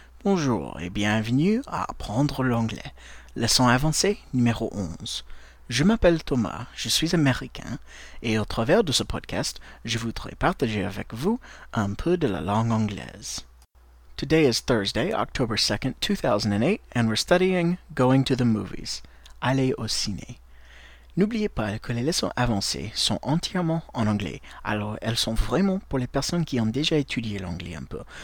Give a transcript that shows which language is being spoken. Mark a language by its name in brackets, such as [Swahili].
[French] Bonjour et bienvenue à Apprendre l'anglais, leçon avancée numéro 11. Je m'appelle Thomas, je suis américain, et au travers de ce podcast, je voudrais partager avec vous un peu de la langue anglaise. [English] Today is Thursday, October 2nd, 2008, and we're studying Going to the Movies, [French] aller au ciné. N'oubliez pas que les leçons avancées sont entièrement en anglais, alors elles sont vraiment pour les personnes qui ont déjà étudié l'anglais un peu.